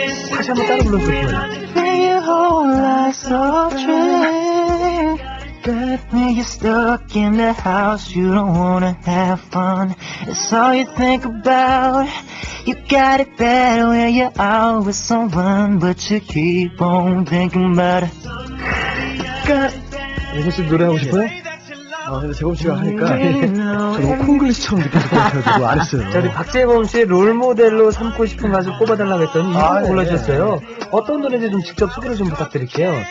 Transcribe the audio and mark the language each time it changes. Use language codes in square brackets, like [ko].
[ko] 다시 한번 따라 불러볼게요. [en] Got me stuck in the house, you don't wanna have fun. It's all you think about. You got it bad when you're out with someone, but you keep on thinking about it. [ko] 재범 씨 노래하고 싶어요? 근데 재범 씨가 하니까 너무 콩글리시처럼 느껴져서 안 했어요. 자, 우리 박재범 씨의 롤모델로 삼고 싶은 가수 꼽아달라고 했더니 이 곡을 골라주셨어요. 네. 어떤 노래인지 좀 직접 소개를 좀 부탁드릴게요.